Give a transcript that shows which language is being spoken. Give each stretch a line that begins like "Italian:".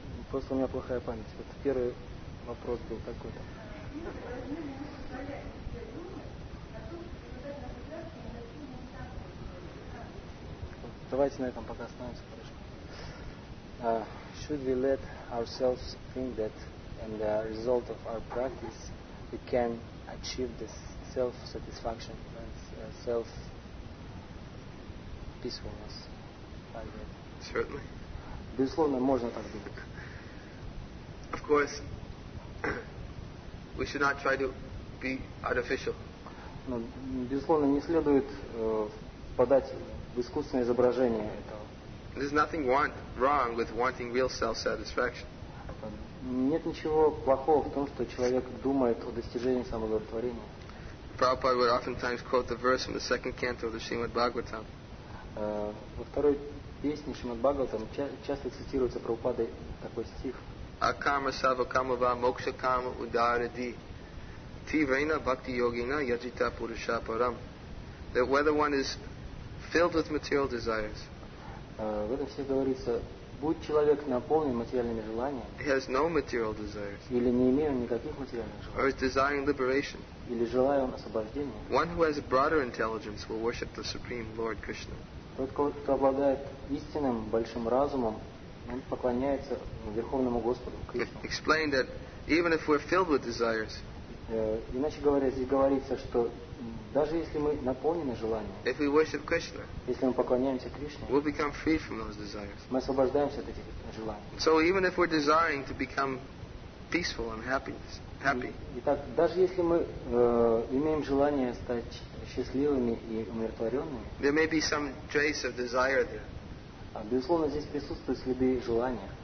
Russian: Просто у меня плохая память. Это первый вопрос был такой-то. Давайте на этом пока остановимся, хорошо.
English: should we let ourselves think that in the result of our practice we can achieve this self-satisfaction and self-peacefulness like that? Certainly.
Russian: Безусловно, можно так думать.
English: Of course, we should not try to be artificial.
Russian: Но, безусловно, не следует впадать в искусственное изображение этого.
English: There's nothing wrong with wanting real self-satisfaction.
Russian: Нет ничего плохого в том, что человек думает о достижении самоудовлетворения.
English: Prabhupada would oftentimes quote the verse from the second canto of the Srimad Bhagavatam.
Russian: Во второй песне Шримад Бхагаватам часто цитируется Прабхупадой такой стих.
Sanskrit: Акама сава кама ва мокша кама удара ди. Ти вейна бхакти йогина яджита пуруша парам.
English: That whether one is filled with material desires,
Russian: в этом все говорится, будь человек наполнен материальными желаниями,
English: he has no material desires,
Russian: или не имея никаких материальных желаний,
English: or is desiring liberation,
Russian: или желая он освобождения,
English: one who has a broader intelligence will worship the Supreme Lord Krishna.
Russian: Тот, кто обладает истинным большим разумом, он поклоняется Верховному Господу Кришне.
English: Explain that even if we're filled with desires,
Russian: иначе говоря, здесь говорится, что даже если мы наполнены желанием,
English: Krishna,
Russian: если мы поклоняемся Кришне,
English: we'll become free from those desires.
Russian: Мы освобождаемся от этих желаний.
English: So even if we're desiring to become peaceful and happiness, happy,
Russian: итак, даже если мы имеем желание стать счастливыми и умиротворенными,
English: there may be some trace of desire there.
Russian: Безусловно, здесь присутствуют следы желания.